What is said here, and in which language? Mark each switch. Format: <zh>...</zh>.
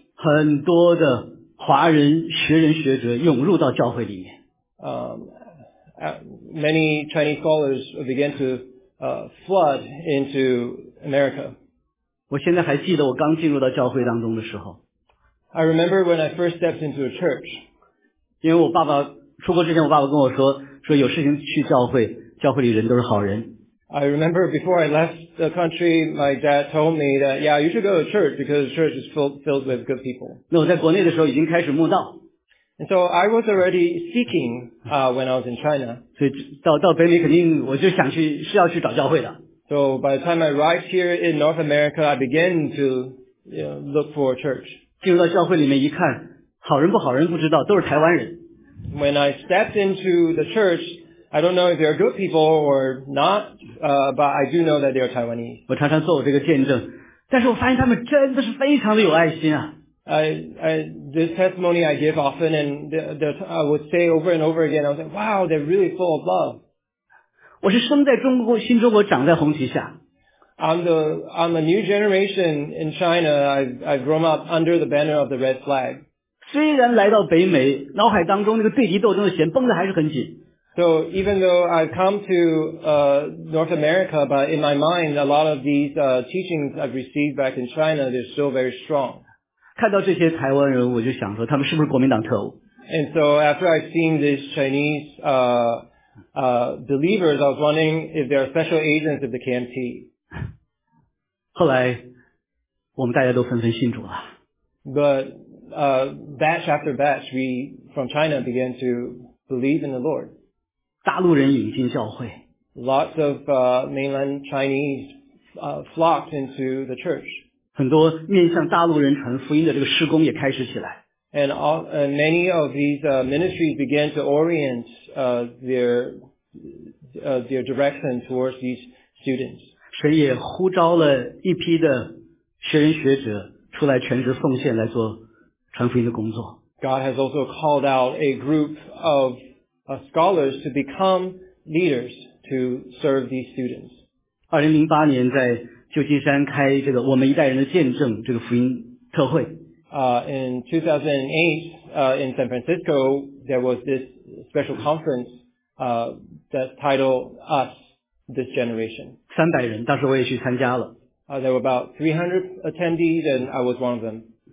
<zh>很多的华人学人学者涌入到教会里面。</zh> <en>Many Chinese scholars began to flood into America.</en> <zh>我现在还记得我刚进入到教会当中的时候。</zh> <en>I remember when I first stepped into a church.</en> <zh>因为我爸爸出国之前，我爸爸跟我说有事情去教会，教会里人都是好人。</zh> <en>I remember before I left the country, my dad told me that, yeah, you should go to church because the church is filled with good people.</en> <zh>那我在国内的时候已经开始慕道。</zh> <en>And so I was already seeking, when I was in China.</en> <zh>所以到北美肯定我就想去，是要去找教会的。</zh> <en>So by the time I arrived here in North America, I began to, look for a church.</en> <zh>进入到教会里面一看，好人不好人不知道，都是台湾人。</zh> <en>When I stepped into the church, I don't know if they're good people or not, but I do know that they're Taiwanese.</en> <zh>我常常做我这个见证，但是我发现他们真的是非常的有爱心啊。</zh> <en>This testimony I give often, and I would say over and over again, I was like, wow, they're really full of love.</en> <zh>我是生在中国，新中国长在红旗下。</zh> <en>I'm a new generation in China. I've grown up under the banner of the red flag.</en> <zh>虽然来到北美，脑海当中那个对敌斗争的弦绷得还是很紧。</zh> <en>So even though I've come to North America, but in my mind, a lot of these teachings I've received back in China, they're still very strong.</en> <zh>看到这些台湾人，我就想说，他们是不是国民党特务</zh> <en>？And so after I've seen these Chinese believers, I was wondering if they are special agents of the KMT.</en> <zh>后来，我们大家都纷纷信主了。</zh> <en>But batch after batch, we from China began to believe in the Lord.</en> <zh>大陆人引进教会。</zh> <en>Lots of mainland Chinese flocked into the church.</en> <zh>很多面向大陆人传福音的这个施工也开始起来。</zh> <en>And many of these ministries began to orient their direction towards these students.</en> <zh>神也呼召了一批的学人学者出来全职奉献来做传福音的工作。</zh> <en>God has also called out a group of scholars to become leaders to serve these students.</en> <zh>2008年在旧金山开这个我们一代人的见证这个福音特会。</zh> <en>In 2008, in San Francisco, there was this special conference, that titled Us, This Generation.</en> <zh>300人，当时我也去参加了。</zh> <en>There were about 300 attendees and I was one of them.</en>